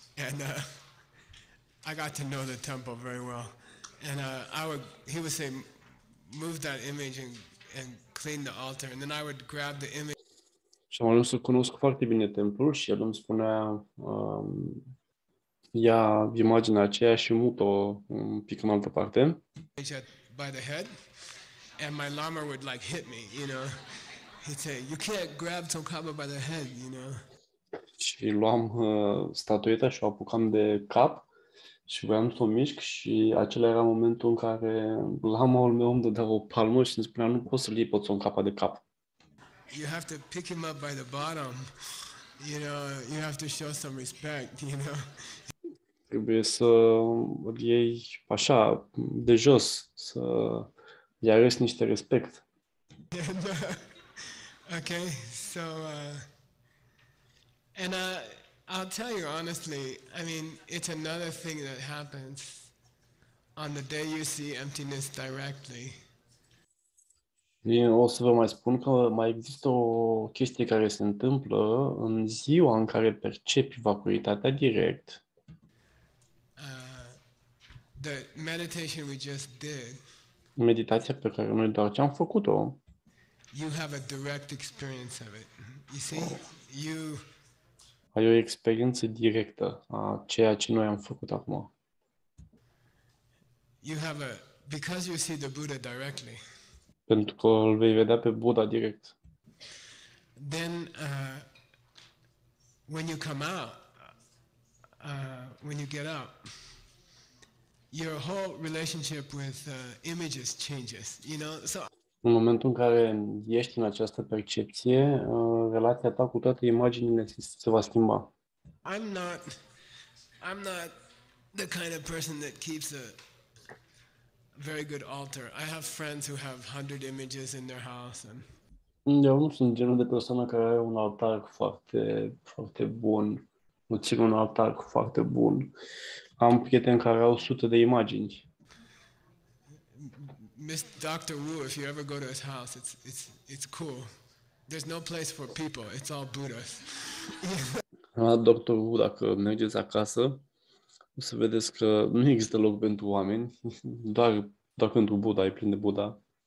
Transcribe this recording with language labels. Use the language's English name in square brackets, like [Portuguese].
[English] And I got to know the temple very well. And he would say, move that image and clean the altar. And then I would grab the image. [Romanian] Și am ajuns să cunosc foarte bine templul și el îmi spunea, ia imaginea aceea și mut-o un pic în altă parte. [English] By the head, and my lama would like hit me, you know. He'd say, you can't grab Tsongkhapa by the head, you know. [Romanian] Și luam statueta și o apucam de cap și voiam să o mișc și acela era momentul în care lamaul meu îmi dădea o palmă și îmi spunea, nu poți să-l iei pe Tsongkhapa de cap. [English] You have to pick him up by the bottom, you know, you have to show some respect, you know. [Romanian] Trebuie să îl iei așa, de jos, să îi arăți niște respect. [English] And, okay, so, and I'll tell you honestly, I mean, it's another thing that happens on the day you see emptiness directly. [Romanian] Bine, o să vă mai spun că mai există o chestie care se întâmplă în ziua în care percepi vacuitatea direct. [English] The meditation we just did. [Romanian] Meditația pe care noi doar ce am făcut-o. [English] You have a direct experience of it. You see, you [Romanian] ai o experiență directă a ceea ce noi am făcut acum. [English] You have a because you see the Buddha directly. [Romanian] Pentru că îl vei vedea pe Buddha direct. [English] Then when you come out when you get up, your whole relationship with images changes, you know? So [Romanian] în momentul în care ești în această percepție, relația ta cu toate imaginile se va schimba. [English] I'm not the kind of person that keeps a very good altar. I have friends who have 100 images in their house and [Romanian] eu nu sunt genul de persoană care are un altar foarte foarte bun. Nu țin un altar foarte bun. Am prieteni care au sute de imagini. [English] Dr. Wu, if you ever go to his house, it's cool. There's no place for people. It's all Buddhas. [Romanian] Dr. Wu, dacă mergeți acasă, o să vedeți că nu există loc pentru oameni, doar când tu Buddha, e plin de Buddha.